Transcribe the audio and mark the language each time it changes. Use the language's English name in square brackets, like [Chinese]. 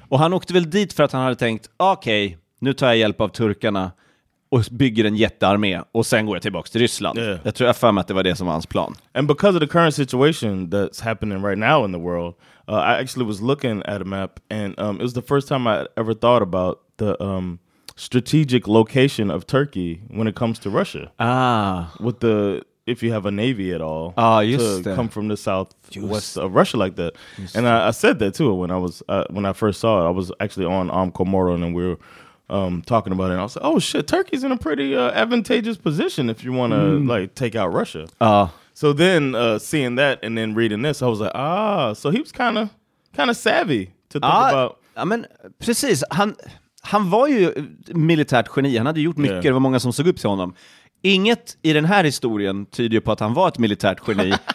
[Swedish] Och han åkte väl dit för att han hade tänkt, okej, nu tar jag hjälp av turkarna och bygger en jättearmé och sen går jag tillbaka till Ryssland. [English] Yeah. [Swedish] Jag tror jag fan att det var det som var hans plan. [English] And because of the current situation that's happening right now in the world, I actually was looking at a map and it was the first time I ever thought about the strategic location of Turkey when it comes to Russia. Ah, with the if you have a navy at all come from the south west of Russia like that. And I said that too when I was when I first saw it. I was actually on Komoro and we were talking about it. And I was like, oh shit, Turkey's in a pretty advantageous position if you want to like take out Russia. So then seeing that and then reading this, I was like, ah, so he was kind of savvy to think about. I mean, [Swedish] precis. Han var ju militärt geni. Han hade gjort mycket. Yeah. Det var många som såg upp till honom. Inget i den här historien tyder ju på att han var ett militärt geni.